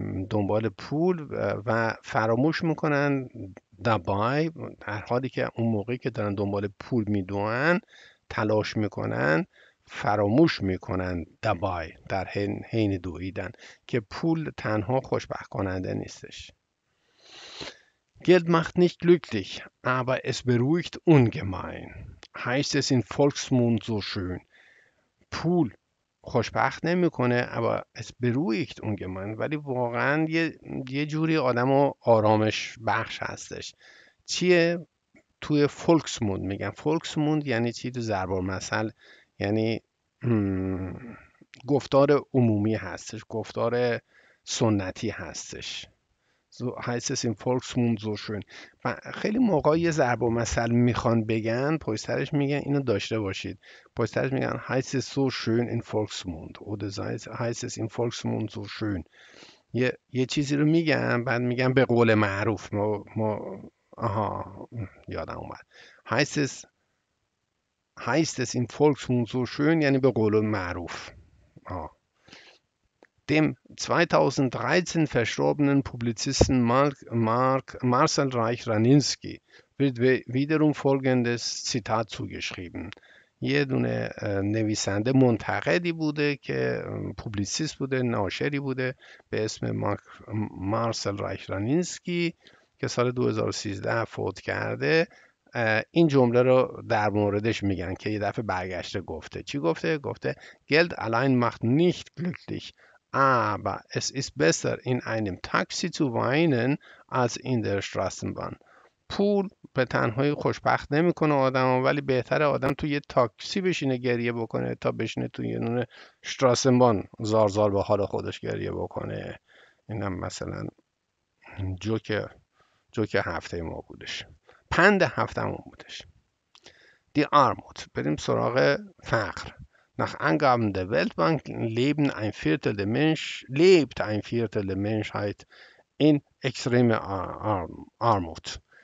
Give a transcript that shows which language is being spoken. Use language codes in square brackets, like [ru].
[fa] دنبال پول و فراموش میکنن دبای، در حالی که اون موقعی که دارن دنبال پول میدونن، تلاش میکنن، فراموش میکنن دبای، در حین دویدن، که پول تنها خوشبخت کننده نیستش. [de] Geld macht nicht glücklich, aber es beruhigt ungemein. Heißt es in Volksmund so schön. [fa] پول خوشبخت نمیکنه، اما از برویکت اونگمان، ولی واقعا یه جوری آدم و آرامش بخش هستش. چیه؟ توی فولکسموند میگن، فولکسموند یعنی چی؟ تو ضرب المثل یعنی گفتار عمومی هستش، گفتار سنتی هستش. سو هایست این فولکسموند زو شون، خیلی موقع یه ضرب المثل میخوان بگن، پویسترش میگن اینو داشته باشید، پویسترش میگن هایست سو شون این فولکسموند، او دزایز هایست این فولکسموند زو شون، یه چیزی رو میگن، بعد میگن به قول معروف، ما آها یادم اومد، هایست این فولکسموند زو شون، یعنی به قول معروف. [de] آها، dem 2013 verstorbenen Publizisten Marcel Reich-Ranicki wird wiederum folgendes Zitat zugeschrieben. [fa] یه دونه نویسنده منتقدی بوده که پوبلیسیست بوده، ناشری بوده، به اسم مارسل رایخ‌رانینسکی که سال 2013 فوت کرده، این جمله رو در موردش میگن که یه دفعه برگشته گفته. چی گفته؟ گفته [de] Geld allein macht nicht glücklich. Aber es ist besser, in einem Taxi zu weinen, als in der Straßenbahn. [fa] پول به تنهایی خوشبخت نمیکنه آدم، ولی بهتره آدم توی یه تاکسی بشینه گریه بکنه تا بشینه توی یه نون شتراسنبان زار زار به حال خودش گریه بکنه. اینم مثلا جوک هفته ما بودش، پند هفته ما بودش. دی آرموت، بریم سراغ فقر. [de] Nach Angaben der Weltbank leben ein Viertel der Mensch, lebt ein Viertel der Menschheit in extremer Armut.